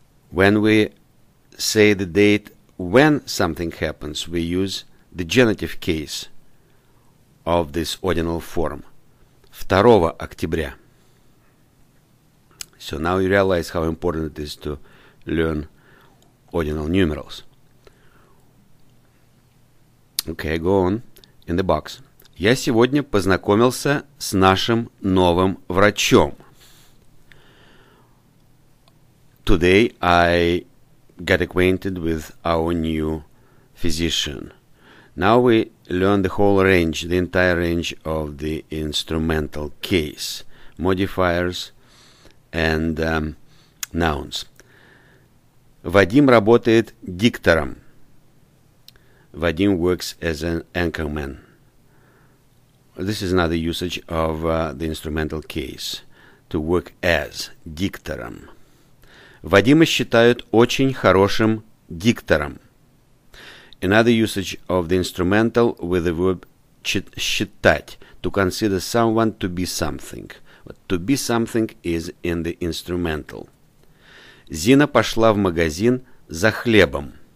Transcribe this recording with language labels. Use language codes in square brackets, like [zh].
[en] When we say the date when something happens, we use the genitive case of this ordinal form. [ru] 2 октября. [en] So now you realize how important it is to learn ordinal numerals. Okay, go on. In the box. [ru] Я сегодня познакомился с нашим новым врачом. [en] Today I got acquainted with our new physician. Now we learn the whole range, the entire range of the instrumental case. Modifiers and nouns. [ru] Вадим работает диктором. [en] Вадим works as an anchorman. This is another usage of the instrumental case. To work as [ru] диктором. Вадима считают очень хорошим диктором. [en] Another usage of the instrumental with the verb считать. To consider someone to be something. But to be something is in the instrumental. [ru] Зина пошла в магазин за хлебом.